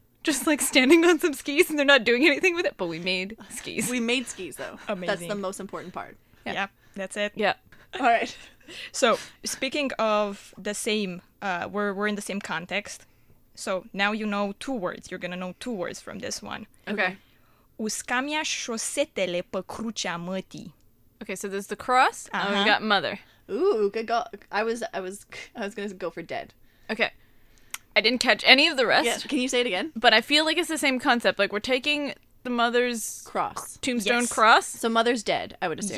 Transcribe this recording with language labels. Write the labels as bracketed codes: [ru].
[en] Just, like, standing on some skis and they're not doing anything with it, but we made skis. We made skis, though. Amazing. That's the most important part. Yeah. That's it. Yeah. All right. So, speaking of the same, we're in the same context. So now you know two words. You're going to know two words from this one. Okay. [ro] Uscamia șosetele pe crucea mătii. [en] Okay, so there's the cross, and we got mother. Ooh, good God. I was going to go for dead. Okay. I didn't catch any of the rest. Yes. Can you say it again? But I feel like it's the same concept. Like, we're taking the mother's... Cross. Tombstone cross. So mother's dead, I would assume.